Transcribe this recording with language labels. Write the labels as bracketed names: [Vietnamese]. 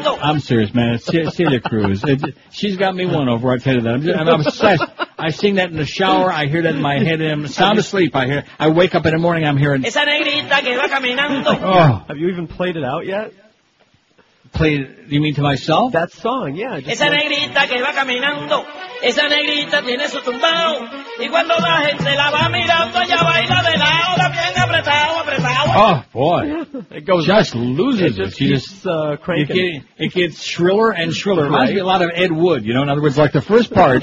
[English] I'm serious, man. It's Celia Cruz. She's got me won over. I tell you that. I'm obsessed. I sing that in the shower. I hear that in my head. I'm sound asleep. I wake up in the morning. I'm hearing. Have you even played it out yet? Play, you mean to myself? That song, yeah. [Spanish] Esa negrita que va caminando, esa negrita tiene su tumbao, y cuando la gente la va mirando, ella baila de lado, bien apretado, apretado. [English] Oh, boy. It goes, just loses it. She just cranking. It gets shriller and shriller. It reminds me a lot of Ed Wood, you know? In other words, like the first part.